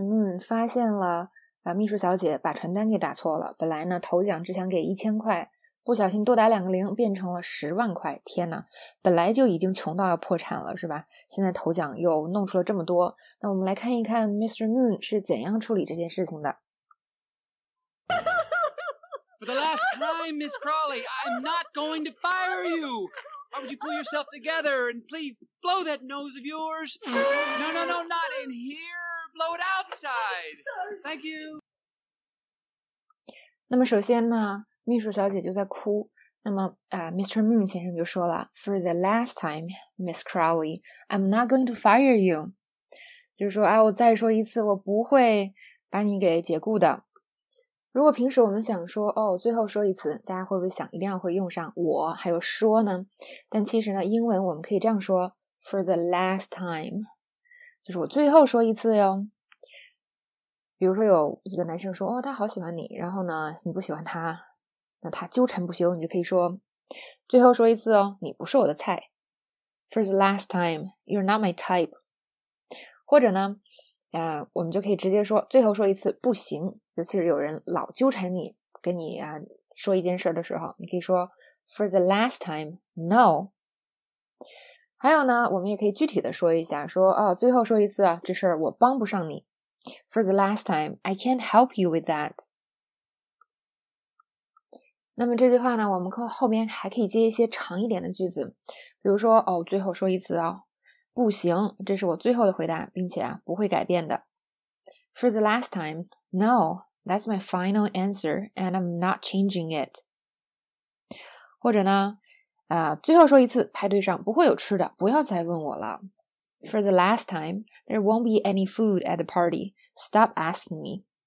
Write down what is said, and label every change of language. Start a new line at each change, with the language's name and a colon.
Chinese: Moon 发现了秘书小姐把传单给打错了。本来呢，头奖只想给1000块，不小心多打两个零，变成了10万块。天哪，本来就已经穷到要破产了，是吧？现在头奖又弄出了这么多。那我们来看一看 Mr. Moon 是怎样处理这件事情的。
English: For the last time, Miss Crawley, I'm not going to fire you! Why would you pull yourself together and please blow that nose of yours? No, no, no, not in here. Blow it outside. Thank you.
Chinese: 那么首先呢，秘书小姐就在哭。那么Mr.
English: Moon
Chinese: 先生就说了
English: ,For the last time, Miss Crawley, I'm not going to fire you.
Chinese: 就是说我再说一次，我不会把你给解雇的。如果平时我们想说最后说一次，大家会不会想一定要会用上我还有说呢？但其实呢，英文我们可以这样说 ,
English: for the last time,
Chinese: 就是我最后说一次哟。比如说有一个男生说他好喜欢你，然后呢你不喜欢他，那他纠缠不休，你就可以说最后说一次哦，你不是我的菜。
English: For the last time, you're not my type.
Chinese: 或者呢我们就可以直接说最后说一次不行，尤其是有人老纠缠你跟你说一件事的时候，你可以说
English: for the last time, no.
Chinese: 还有呢，我们也可以具体的说一下，说最后说一次啊，这事儿我帮不上你。
English: For the last time, I can't help you with that.
Chinese: 那么这句话呢，我们后面还可以接一些长一点的句子，比如说最后说一次哦。不行，这是我最后的回答，并且不会改变的。
English: For the last time, no, that's my final answer, and I'm not changing it.
Chinese: 或者呢，最后说一次，派对上不会有吃的，不要再问我了。
English: For the last time, there won't be any food at the party. Stop asking me.